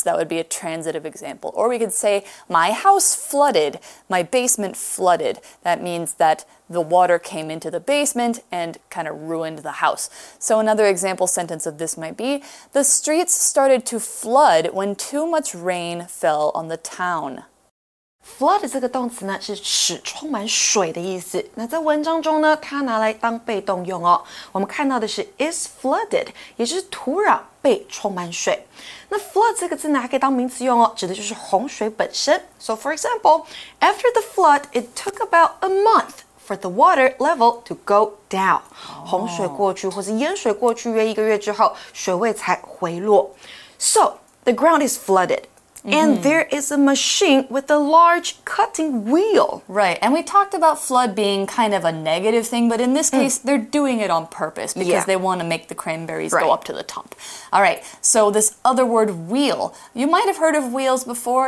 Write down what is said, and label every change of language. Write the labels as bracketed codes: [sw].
[en] That would be a transitive example. Or we could say my house flooded, my basement flooded. That means thatThe water came into the basement and kind of ruined the house. So another example sentence of this might be, the streets started to flood when too much rain fell on the town. [zh] Flood 这个动词呢是使充满水的意思。那在文章中呢它拿来当被动用哦。我们看到的是 is flooded, 也就是土壤被充满水。那 flood 这个字呢还可以当名词用哦，指的就是洪水本身。 [en] So for example, after the flood, it took about a month. For the water level to go down. [zh] 洪水过去或是淹水过去约一个月之后水位才回落。 [en] So, the ground is flooded. And there is a machine with a large cutting wheel. Right, and we talked about flood being kind of a negative thing, but in this case, they're doing it on purpose because they want to make the cranberries go up to the top. All right, so this other word, wheel. You might have heard of wheels before.